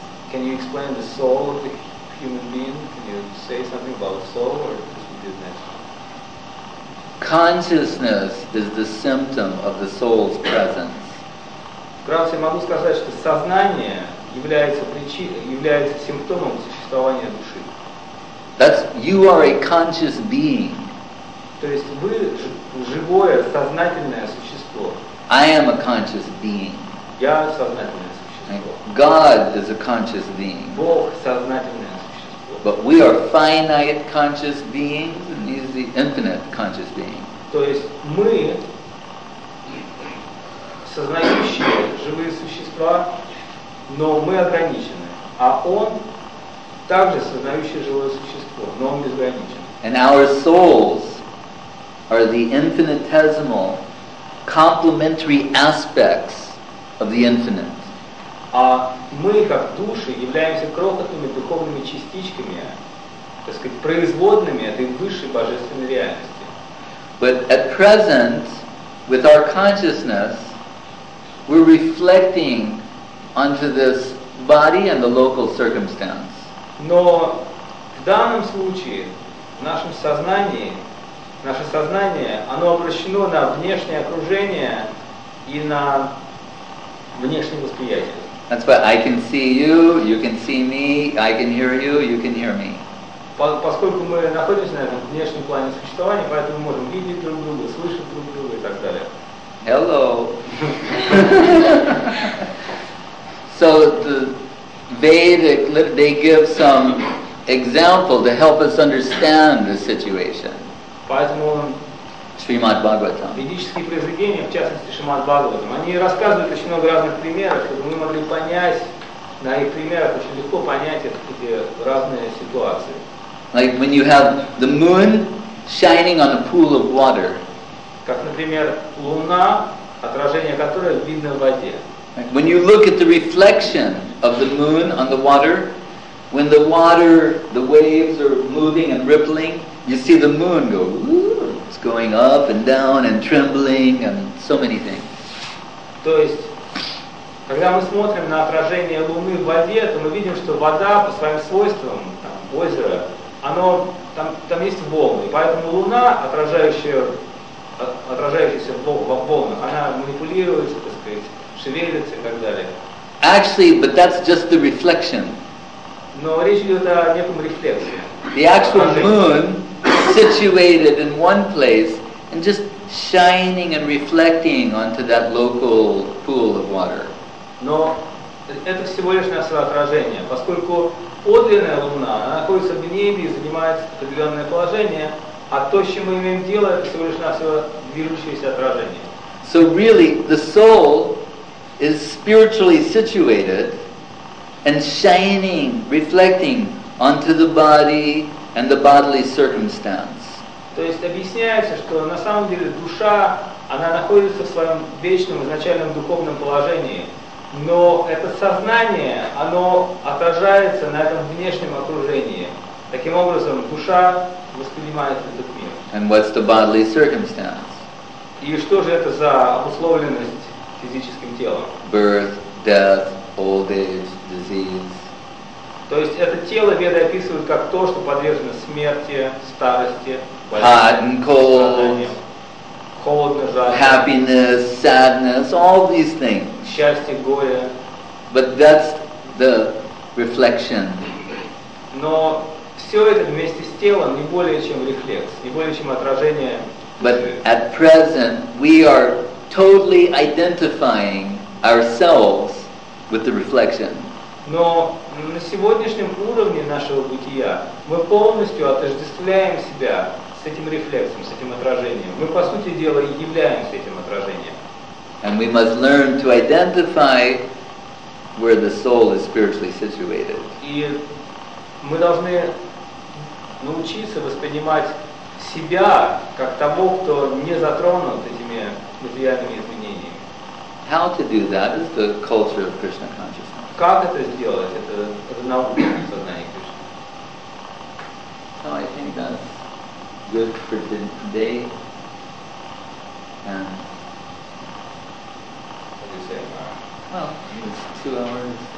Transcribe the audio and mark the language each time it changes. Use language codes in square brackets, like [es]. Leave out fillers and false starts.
[en] Can you explain the soul of the human being? Can you say something about the soul, or just be good next? Consciousness is the symptom of the soul's presence. [ru] Вкратце могу сказать, что сознание является симптомом существования души. [en] That's you are a conscious being. [ru] То есть вы живое сознательное существо. [en] I am a conscious being. [ru] Я сознательное существо. [en] God is a conscious being. [ru] Бог сознательное существо. [en] But we are finite conscious beings, and He's the infinite conscious being. [ru] То есть мы, сознающие живые существа, но мы ограничены. А он также сознающее живое существо, но он безграничен. [en] And our souls are the infinitesimal complementary aspects of the infinite. [ru] А мы, как души, являемся крохотными духовными частичками, так сказать, производными этой высшей божественной реальности. [en] But at present, with our consciousness, we're reflecting onto this body and the local circumstance. [ru] Но в данном случае, в нашем сознании, наше сознание, оно обращено на внешнее окружение и на внешнее восприятие. [en] That's why I can see you can see me, I can hear you can hear me. [ru] Поскольку мы находимся на этом внешнем плане существования, поэтому мы можем видеть друг друга, слышать друг друга и так далее. [en] Hello. So the Vedic, they give some example to help us understand the situation. [ru] Поэтому Шримад Бхагаватам. Ведические произведения, в частности Шримад Бхагаватам, они рассказывают очень много разных примеров, чтобы мы могли понять, на их примерах очень легко понять эти разные ситуации. [en] Like when you have the moon shining on a pool of water. [ru] Как, например, луна, отражение которой видно в воде. [en] When you look at the reflection of the moon on the water, when the water, the waves are moving and rippling, you see the moon go, ooh, it's going up and down and trembling and so many things. [ru] То есть, когда мы смотрим на отражение луны в воде, то мы видим, что вода по своим свойствам, там, озеро, оно, там есть волны, поэтому луна, отражающаяся в волнах, она манипулируется, так сказать, шевелится и так далее. [en] Actually, but that's just the reflection. [ru] Но речь идет о неком рефлексе. [en] The actual moon situated in one place and just shining and reflecting onto that local pool of water. [ru] Но это всего лишь на свое отражение, поскольку подлинная луна, она находится в небе и занимает определенное положение, а то, с чем мы имеем дело, это всего лишь на свое движущееся отражение. [en] So really, the soul is spiritually situated and shining, reflecting onto the body and the bodily circumstance. [ru] То есть объясняется, что на самом деле душа, она находится в своем вечном, изначальном духовном положении, но это сознание, оно отражается на этом внешнем окружении. Таким образом, душа воспринимает этот мир. [en] And what's the bodily circumstance? [ru] И что же это за обусловленность физическим телом? [en] Birth, death, old age, disease. [ru] То есть это тело веды описывают как то, что подвержено смерти, старости, болезни, страданиям, холодно, жарко, [en] happiness, sadness, all these things. [ru] Счастье, горе. [en] But that's the reflection. [ru] Но все это вместе с телом не более чем рефлекс, не более чем отражение. [en] But at present we are totally identifying ourselves with the reflection. [ru] Но на сегодняшнем уровне нашего бытия мы полностью отождествляем себя с этим рефлексом, с этим отражением. Мы, по сути дела, и являемся этим отражением. [en] And we must learn to identify where the soul is spiritually situated. [ru] И мы должны научиться воспринимать себя как того, кто не затронут этими материальными изменениями. [en] How to do that is the culture of Krishna consciousness. [ru] Как это сделать? Это наука сознания Кришны. [en] So I think that's good for today. And what do you say? Well, it's 2 hours.